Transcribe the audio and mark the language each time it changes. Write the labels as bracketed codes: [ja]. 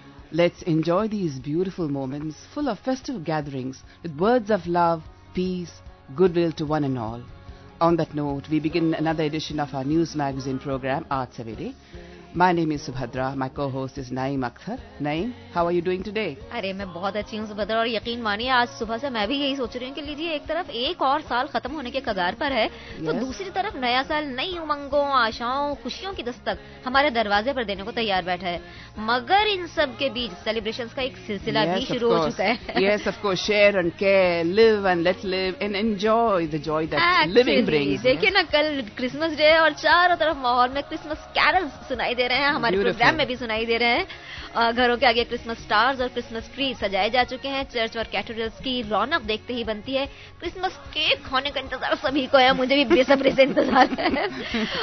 [en] Let's enjoy these beautiful moments full of festive gatherings with words of love, peace, goodwill to one and all. On that note, we begin another edition of our news magazine program, Aaj Savere. My name is Subhadra. My co-host is Naeem Akhtar. Naeem, how are you doing today? [hi] अरे मैं बहुत अच्छी हूँ सुभद्रा, और यकीन मानिए आज सुबह से मैं भी यही सोच रही हूँ कि लीजिए एक तरफ एक और साल खत्म होने के कगार पर है, तो दूसरी तरफ नया साल नई उमंगों, आशाओं, खुशियों की दस्तक हमारे दरवाजे पर देने को तैयार बैठा है। मगर इन सब के बीच सेलिब्रेशन का एक सिलसिला भी शुरू हो चुका है। [en] Yes, of course, share and care, live and let live and enjoy the joy that living brings. [hi] देखिए ना, कल क्रिसमस डे है और चारों तरफ माहौल में क्रिसमस कैरल्स सुनाई दे रहे हैं, हमारे प्रोग्राम में भी सुनाई दे रहे हैं। घरों के आगे क्रिसमस स्टार्स और क्रिसमस ट्री सजाए जा चुके हैं। चर्च और कैथेड्रल्स की रौनक देखते ही बनती है। क्रिसमस केक खाने का इंतजार सभी को है, मुझे भी बेसब्री से इंतजार है।